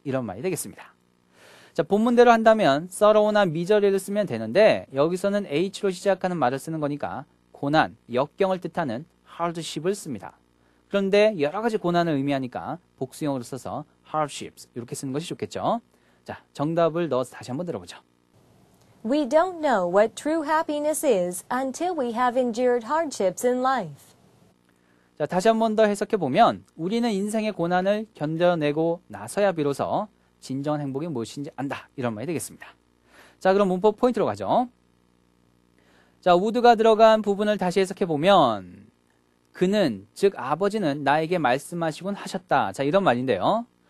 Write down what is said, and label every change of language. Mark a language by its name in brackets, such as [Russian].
[Korean] 이런 말이 되겠습니다. 자, 본문대로 한다면 sorrow나 misery를 쓰면 되는데 여기서는 H로 시작하는 말을 쓰는 거니까 고난, 역경을 뜻하는 hardship을 씁니다. 그런데 여러 가지 고난을 의미하니까 복수형으로 써서 hardships 이렇게 쓰는 것이 좋겠죠. 자, 정답을 넣어서 다시 한번 들어보죠. [English] We don't know what true happiness is until we have endured hardships in life. [Korean] 자, 다시 한번 더 해석해 보면 우리는 인생의 고난을 견뎌내고 나서야 비로소 진정한 행복이 무엇인지 안다. 이런 말이 되겠습니다. 자, 그럼 문법 포인트로 가죠. 자, 우드가 들어간 부분을 다시 해석해 보면 그는, 즉 아버지는 나에게 말씀하시곤 하셨다. 자, 이런 말인데요.